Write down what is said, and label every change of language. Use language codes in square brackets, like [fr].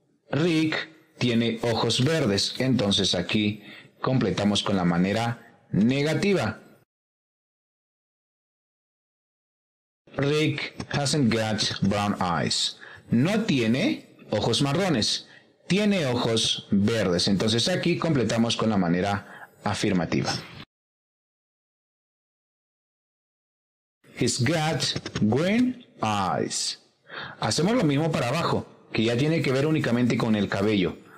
[es] Rick tiene ojos verdes. Entonces aquí completamos con la manera negativa. [en] Rick hasn't got brown eyes. [es] No tiene ojos marrones, tiene ojos verdes. Entonces aquí completamos con la manera afirmativa. [en] He's got green eyes. [es] Hacemos lo mismo para abajo, que ya tiene que ver únicamente con el cabello.